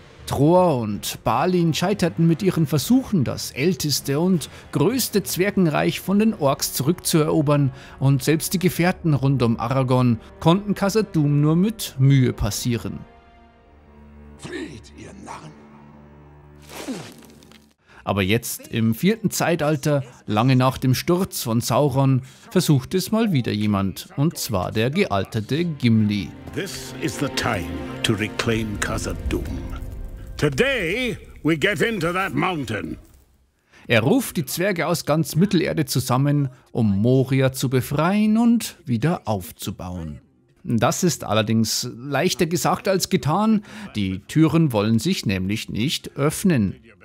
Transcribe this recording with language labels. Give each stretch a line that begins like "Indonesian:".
German: Troa und Balin scheiterten mit ihren Versuchen, das älteste und größte Zwergenreich von den Orks zurückzuerobern, und selbst die Gefährten rund um Aragorn konnten Khazad-dûm nur mit Mühe passieren. Fried, ihr Narren! Aber jetzt, im vierten Zeitalter, lange nach dem Sturz von Sauron, versucht es mal wieder jemand, und zwar der gealterte Gimli.
English: This is the time to reclaim Khazad-dûm. Today we get into that mountain.
German: Er ruft die Zwerge aus ganz Mittelerde zusammen, um Moria zu befreien und wieder aufzubauen. Das ist allerdings leichter gesagt als getan. Die Türen wollen sich nämlich nicht öffnen.